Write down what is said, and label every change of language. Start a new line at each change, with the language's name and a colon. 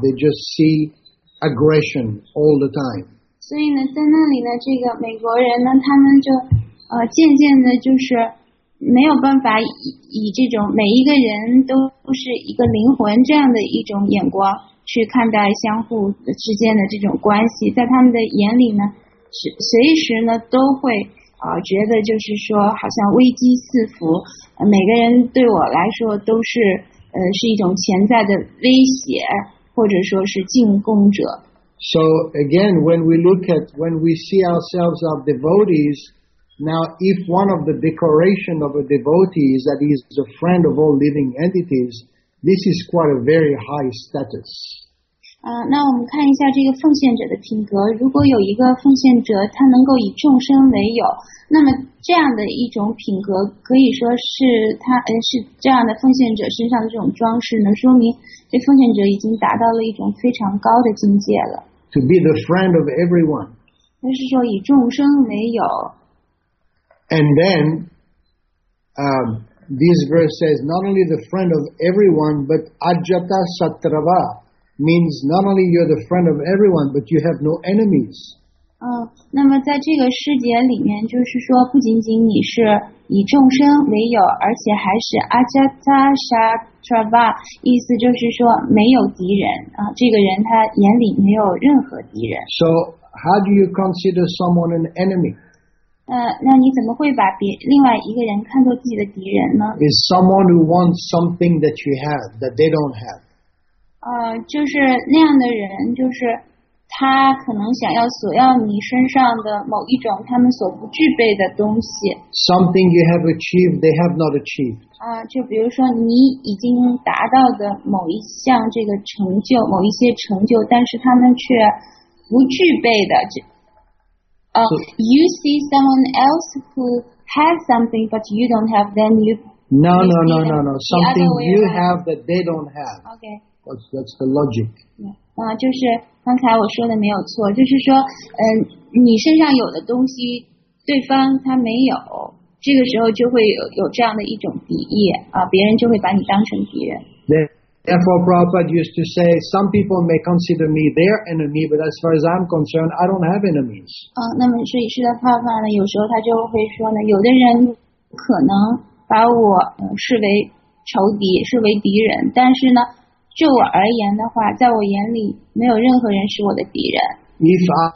English: They just see. Aggression all the time.
Chinese: 所以呢，在那里呢，这个美国人呢，他们就渐渐的，就是没有办法以这种每一个人都是一个灵魂这样的一种眼光去看待相互之间的这种关系。在他们的眼里呢，随时呢都会觉得就是说，好像危机四伏，每个人对我来说都是一种潜在的威胁。或者说是进攻者。
English: So again, when we look at, when we see ourselves as devotees, now if one of the decoration of a devotee is that he is a friend of all living entities, this is quite a very high status.
Chinese: 那我们看一下这个奉献者的品格。如果有一个奉献者，他能够以众生为友，那么这样的一种品格，可以说是他是这样的奉献者身上的这种装饰，能说明这奉献者已经达到了一种非常高的境界了。
English: To be the friend of everyone.
Chinese: 那是说以众生为友。
English: And then, this verse says not only the friend of everyone, but ajata satrava. Means not only you're the friend of everyone, but you have no enemies.
Chinese: 那么在这个世界里面，就是说，不仅仅你是以众生为友，而且还是 ajata satrava， 意思就是说没有敌人啊。这个人他眼里没有任何敌人。
English: So how do you consider someone an enemy?
Chinese: 那你怎么会把另外一个人看作自己的敌人呢
English: ？Is someone who wants something that you have that they don't have?
Chinese: 就是那样的人，就是他可能想要索要你身上的某一种他们所不具备的东西。
English: Something you have achieved, they have not achieved.
Chinese: 就比如说你已经达到的某一项这个成就，某一些成就，但是他们却不具备的,
English: you see someone else who has something but you don't have, then you... No. Something you have that they don't have. Okay. That's the logic. Yeah.
Chinese: 就是刚才我说的没有错，就是说，你身上有的东西，对方他没有，这个时候就会有这样的一种敌意，别人就会把你当成敌人。
English: Therefore, Prabhupada used to say, some people may consider me their enemy, but as far as I'm concerned, I don't have enemies.
Chinese: 那么所以释迦牟尼佛呢，有时候他就会说呢，有的人可能把我视为仇敌，视为敌人，但是呢。就我而言的话，在我眼里，没有任何人是我的敌人。
English: If